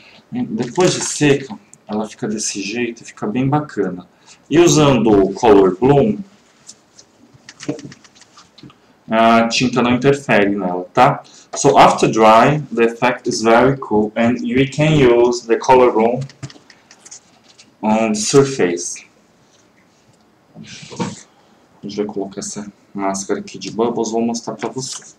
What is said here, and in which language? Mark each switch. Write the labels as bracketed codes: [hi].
[pt] Depois de seca, ela fica desse jeito e fica bem bacana. E usando o Color Bloom, a tinta não interfere nela, tá? [en] So after dry, the effect is very cool and we can use the Color Bloom on the surface. [pt] A gente vai colocar essa máscara aqui de bubbles, vou mostrar pra vocês.